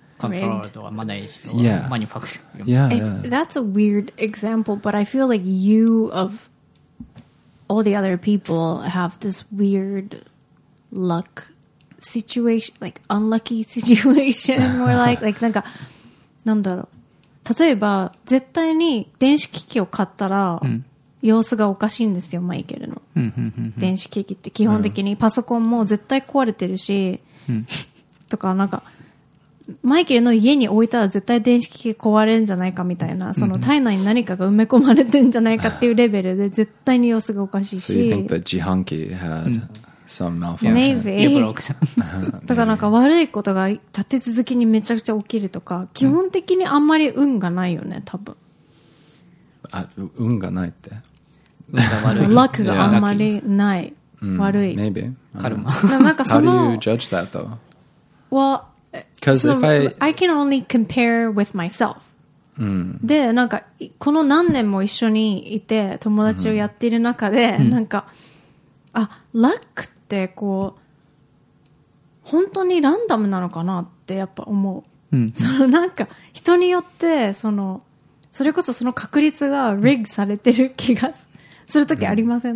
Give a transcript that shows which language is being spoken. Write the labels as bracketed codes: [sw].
[en] controlled or managed or manufactured. Yeah, yeah. That's a weird example, but I feel like you, of all the other people, have this weird luck situation, like unlucky situation, more like [ja] なんか、なんだろう。例えば、絶対に電子機器を買ったら、様子がおかしいんですよ、マイケルの。電子機器って基本的にパソコンも絶対壊れてるし、とかなんか、マイケルの家に置いたら絶対電子機器壊れるんじゃないかみたいな、その体内に何かが埋め込まれてんじゃないかっていうレベルで絶対に様子がおかしいし。 [en] So you think the 自販機 had some malfunction? Maybe. [ja] とかなんか悪いことが立て続きにめちゃくちゃ起きるとか、基本的にあんまり運がないよね、多分。あ、運がないって。運が悪い。 Luck があんまりない。悪い。 [en] Maybe. [ja] カルマ。なんかその。 [en] How do you judge that though? Well, Because so, if I can only compare with myself. [ja] で、なんかこの何年も一緒にいて友達をやっている中で、なんかあ、luck ってこう本当にランダムなのかなってやっぱ思う。そのなんか人によってそのそれこそその確率がリグされてる気がするときありません？